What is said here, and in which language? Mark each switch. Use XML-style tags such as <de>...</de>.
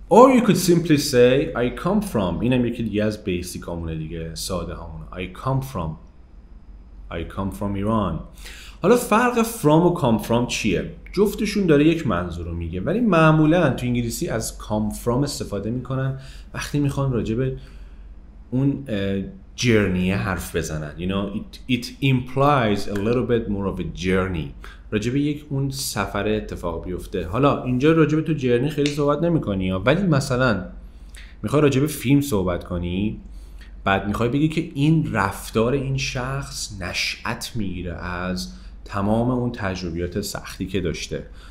<en>Or you could simply say I come from.</en> <fa>اینم یکی دیگه از بیسیک همونه دیگه، ساده همونه.</fa> <en>I come from Iran.</en> <fa>حالا فرق from و come from چیه؟ جفتشون داره یک منظور رو میگه، ولی معمولا تو انگلیسی از come from استفاده میکنن وقتی میخوان راجع به اون جرنی حرف بزنن.</fa> <en>You know, it implies a little bit more of a journey.</en> <fa>راجبه یک اون سفر اتفاق بیفته. حالا اینجا راجبه تو جرنی خیلی صحبت نمی‌کنی، ولی مثلا میخوای راجبه فیلم صحبت کنی، بعد میخوای بگی که این رفتار این شخص نشأت میگیره از تمام اون تجربیات سختی که داشته.</fa>